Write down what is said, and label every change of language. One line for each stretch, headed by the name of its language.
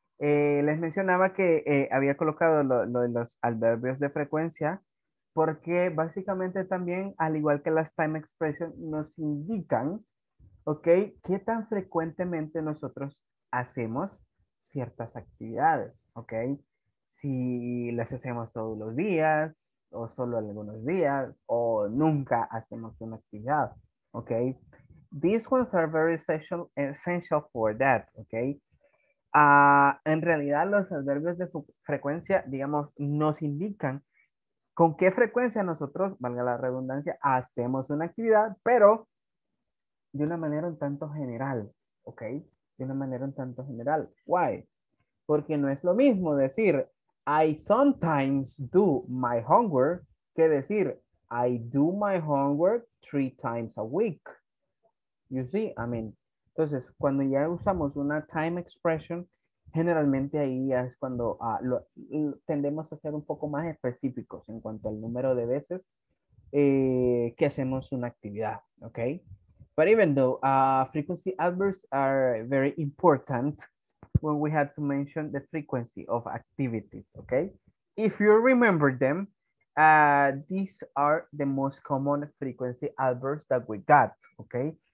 Spanish: Les mencionaba que había colocado los adverbios de frecuencia porque básicamente también, al igual que las time expressions, nos indican, okay, qué tan frecuentemente nosotros hacemos ciertas actividades, okay? Si las hacemos todos los días, o solo algunos días, o nunca hacemos una actividad, okay?
English: These ones are very essential for that, okay?
Spanish: En realidad, los adverbios de frecuencia, digamos, nos indican con qué frecuencia nosotros, valga la redundancia, hacemos una actividad, pero de una manera un tanto general, okay? De una manera un tanto general.
English: Why?
Spanish: Porque no es lo mismo decir
English: I sometimes do my homework,
Spanish: que decir,
English: I do my homework 3 times a week. You see, I mean,
Spanish: entonces, cuando ya usamos una time expression, generalmente ahí ya es cuando tendemos a ser un poco más específicos en cuanto al número de veces que hacemos una actividad, okay?
English: But even though frequency adverbs are very important, when we had to mention the frequency of activities, okay? If you remember them, these are the most common frequency adverbs that we got, okay?